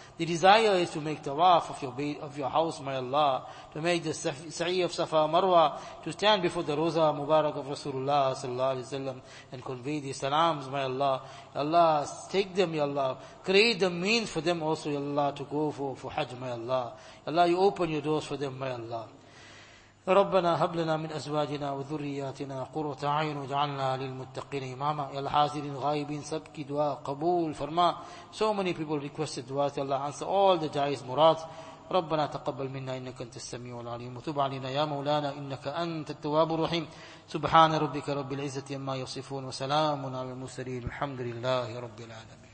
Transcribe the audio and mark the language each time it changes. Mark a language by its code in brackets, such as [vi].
[en] The desire is to make tawaf of your house, Ya Allah, to make the sa'i of Safa Marwa, to stand before the Roza Mubarak of Rasulullah, Sallallahu Alaihi Wasallam, and convey the salams, Ya Allah. Ya Allah, take them, Ya Allah. Create the means for them also, Ya Allah, to go for Hajj, Ya Allah. Ya Allah, you open your doors for them, Ya Allah. [ar] ربنا هب لنا من ازواجنا وذرياتنا قرة عين واجعلنا للمتقين اماما [ur] يا الحاضرين غائبين سبك دعاء قبول فرما. [en] So many people requested dua, يا الله, answer all the [ur] جائز مراد. [ar] ربنا تقبل منا انك انت السميع العليم وتب علينا يا مولانا انك انت التواب الرحيم. سبحان ربك رب العزة عما يصفون وسلام على المرسلين الحمد لله رب العالمين.